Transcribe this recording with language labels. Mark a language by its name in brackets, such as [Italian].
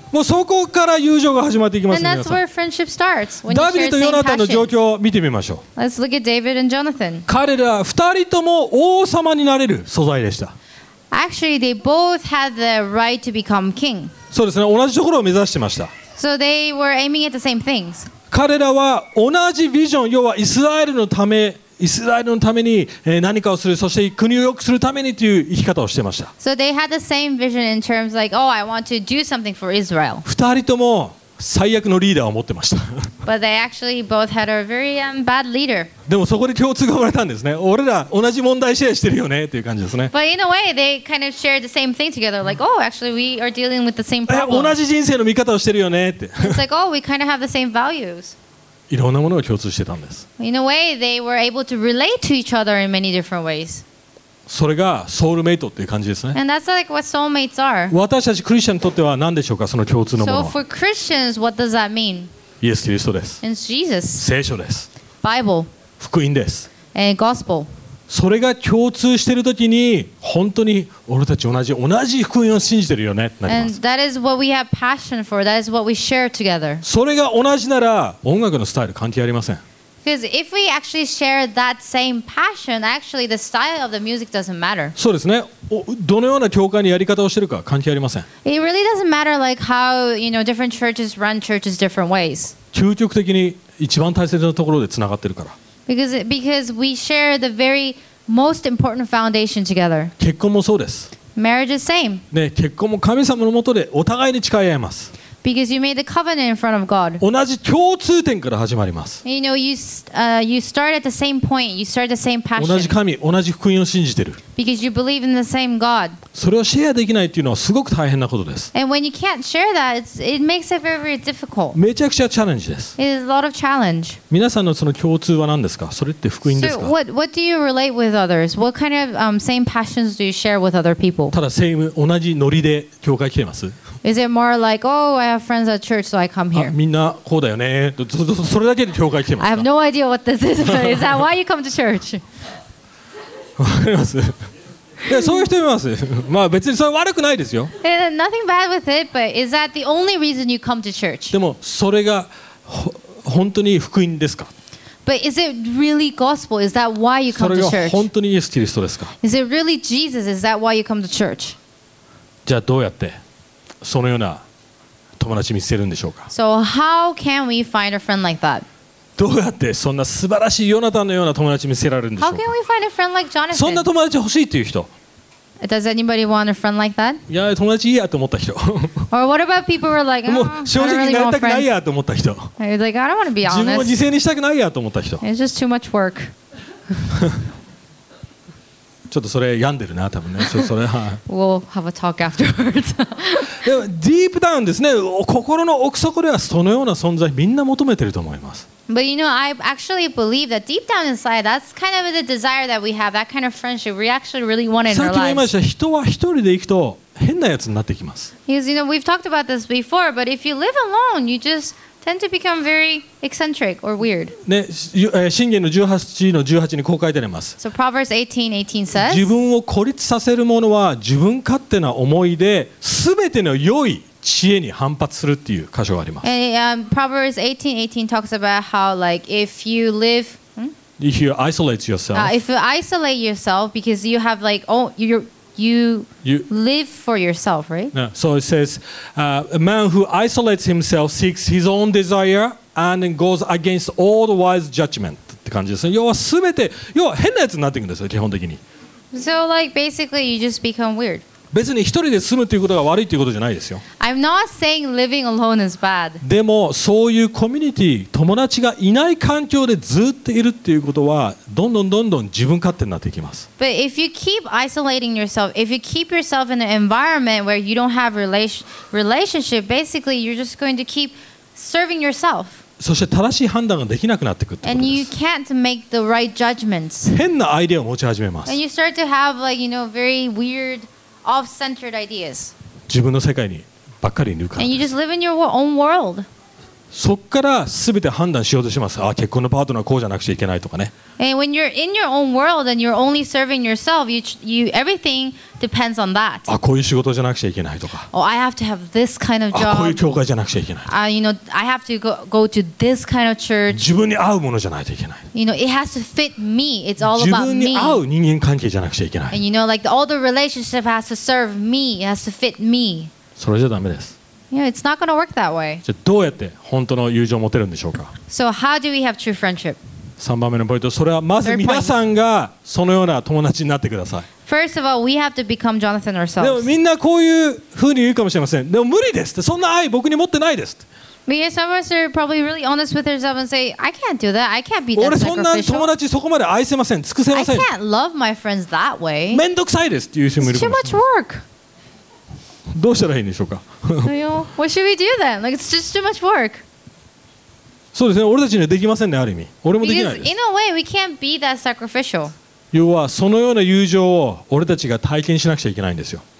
[Japanese] もうそこから友情が始まっていきます [English] ね。And that's where friendship starts, when [Japanese] ダビデとヨナタンの状況を見てみましょう。 [English] Let's look at David and Jonathan. [Japanese] 彼ら2人とも王様になれる素材でした。 [English] Actually, they both had the right to become king. [Japanese] そうですね、同じところを目指してました。 [English] So they were aiming at the same things. [Japanese] 彼らは同じビジョン、要はイスラエルのため、イスラエルのために何かをする、そして国を良くするためにという生き方をしていました。 [English] So they had the same vision in terms like, oh, I want to do something for Israel. [Japanese] 二人とも最悪のリーダーを持ってました。 [English] But they actually both had a very bad leader. [Japanese] でもそこで共通が生まれたんですね。俺ら同じ問題シェアしてるよねっていう感じですね。 [English] But in a way, they kind of shared the same thing together. Like, oh, actually, we are dealing with the same problem. [Japanese] 同じ人生の見方をしてるよねって。 [English] It's like, oh, we kind of have the same values. [Japanese] いろんなものが共通してたんです。 [English] In a way, they were able to relate to each other in many different ways. [Japanese] それがソウルメイトっていう感じですね。 [English] And that's like what soulmates are. [Japanese] 私たちクリスチャンにとっては何でしょうか、その共通のものは。 [English] So for Christians, what does that mean? [Japanese] イエス・キリストです。 [English] And Jesus. [Japanese] 聖書です。 [English] Bible. [Japanese] 福音です。 [English] And Gospel. [Japanese] それが共通しているときに、本当に俺たち同じ福音を信じてるよねってなります。 [English] And that is what we have passion for. That is what we share together. [Japanese] それが同じなら、音楽のスタイル関係ありません。 [English] Because if we actually share that same passion, actually the style of the music doesn't matter. [Japanese] そうですね。どのような教会のやり方をしてるか関係ありません。 [English] It really doesn't matter like how, you know, different churches run churches different ways. [Japanese] 究極的に一番大切なところでつながってるから。 [English] Because we share the very most important foundation together. [Japanese] 結婚もそうです。 [English] Marriage is same. [Japanese] ね、結婚も神様の下でお互いに誓い合います。 [English] Because you made the covenant in front of God. [Japanese] 同じ共通点から始まります。 [English] You know, you start at the same point. You start the same passion. [Japanese] 同じ神、同じ福音を信じてる。 [English] Because you believe in the same God. [Japanese] それをシェアできないっていうのはすごく大変なことです。 [English] And when you can't share that, it makes it very, very difficult. [Japanese] めちゃくちゃチャレンジです。 [English] It is a lot of challenge. [Japanese] 皆さんのその共通は何ですか？それって福音ですか？ [English] So what do you relate with others? What kind of same passions do you share with other people? [Japanese] ただ同じノリで教会来てます。 [English] Is it more like, oh, I have friends at church, so I come here? [Japanese] みんなこうだよね。それだけで教会来てますか？ [English] I have no idea what this is. Is that why you come to church? [Japanese] わかります。いや、そういう人います。まあ別にそれ悪くないですよ。 [English] Nothing bad with it, but is that the only reason you come to church? [Japanese] でもそれが本当に福音ですか？ [English] But is it really gospel? Is that why you come to church? [Japanese] それが本当にイエス・キリストですか？ [English] Is it really Jesus? Is that why you come to church? [Japanese] じゃあどうやってそのような友達見つけるんでしょうか。 [English] So how can we find a friend like that? [Japanese] どうやってそんな素晴らしいヨナタンのような友達見つけられるんでしょうか。 [English] How can we find a friend like Jonathan? [Japanese] そんな友達欲しいっていう人。 [English] Does anybody want a friend like that? [Japanese] いや、友達いいやと思った人。 [English] Or what about people who are like, [Japanese] もう正直になりたくないやと思った人。 [English] He's like, I don't want to be honest. [Japanese] 自分を犠牲にしたくないやと思った人。 [English] It's just too much work. [Japanese] ちょっとそれ病んでるな多分ね。それは。 [English] We'll have a talk afterwards. [Japanese] でも [English] deep down [Japanese] ですね。心の奥底ではそのような存在みんな求めてると思います。 [English] But you know, I actually believe that deep down inside, that's kind of the desire that we have, that kind of friendship we actually really want in our lives. [Japanese] さっきも言いました。人は一人で行くと変なやつになってきます。 [English] Because you know, we've talked about this before, but if you live alone, you just tend to become very eccentric or weird. [Japanese] ね、箴言の18の18にこう書いてあります。 [English] So Proverbs 18:18 says, [Japanese] 自分を孤立させる者は自分勝手な思いで全ての良い知恵に反発するっていう箇所があります。 [English] Proverbs 18:18 talks about how like if you live if you isolate yourself. If you isolate yourself because you have like oh You live for yourself, right? No. So it says, a man who isolates himself seeks his own desire and goes against all the wise judgment. [Japanese] って感じですね。要はすべて、要は変なやつになっていくんですよ、基本的に。 [English] So like basically you just become weird. [Japanese] 別に一人で住むということが悪いということじゃないですよ。 [English] I'm not saying living alone is bad. [Japanese] でもそういうコミュニティ、友達がいない環境でずっといるっていうことは、どんどんどんどん自分勝手になっていきます。 [English] But if you keep isolating yourself, if you keep yourself in an environment where you don't have relationship, basically you're just going to keep serving yourself. [Japanese] そして正しい判断ができなくなってくるってことです。 [English] And you can't make the right judgments. [Japanese] 変なアイデアを持ち始めます。 [English] And you start to have like you know very weirdOff-centered ideas. [Japanese] 自分の世界にばっかり抜かれ [English] て。And you just live in your own world. [Japanese] そこから全て判断しようとします。あ、結婚のパートナーはこうじゃなくちゃいけないとかね。 [English] And when you're in your own world and you're only serving yourself, you everything depends on that. [Japanese] あ、こういう仕事じゃなくちゃいけないとか。 [English] Oh, I have to have this kind of job. [Japanese] あ、こういう教会じゃなくちゃいけない。 [English] You know, I have to go to this kind of church. [Japanese] 自分に合うものじゃないといけない。 [English] You know, it has to fit me. It's all about me. [Japanese] 自分に合う人間関係じゃなくちゃいけない。 [English] And you know, like all the relationship has to serve me. It has to fit me. [Japanese] それじゃダメです。 [English] Yeah, it's not going to work that way. [Japanese] じゃあどうやって本当の友情を持てるんでしょうか? [English] So how do we have true friendship? [Japanese] 3番目のポイント、それはまず皆さんがそのような友達になってください。 [English] First of all, we have to become Jonathan ourselves. [Japanese] でもみんなこういうふうに言うかもしれません。でも無理です。そんな愛僕に持ってないです。 [English] Because some of us are probably really honest with ourselves and say, I can't do that. I can't be that sacrificial. [Japanese] 俺そんな友達そこまで愛せません。尽くせません。 [English] I can't love my friends that way. [Japanese] めんどくさいですっていう人もいる。 [English] It's too much work. [Japanese] どうしたらいいんでしょうか。 [English] What should we do then? Like it's just too much work. [Japanese] そうですね。俺たちにはできませんね。ある意味、俺もできないです。 [English] Because in a way we can't be that sacrificial. [Japanese] 要はそのような友情を俺たちが体験しなくちゃいけないんですよ。